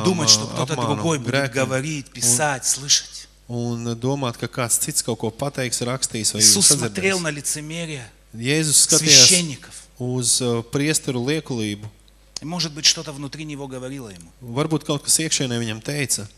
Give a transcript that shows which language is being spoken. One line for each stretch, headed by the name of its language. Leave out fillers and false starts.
Russian: и думать, что кто-то другой будет говорить, писать, слышать.
Latvian: Un domāt, ka kāds cits kaut ko pateiks, rakstīs vai sadzirdēs.
Russian: Иисус смотрел на лицемерие.
Latvian: Jēzus skatījās uz priesteru liekulību.
Russian: Может быть, что-то внутри него говорило ему.
Latvian: Varbūt kaut kas iekšēnē viņam teica.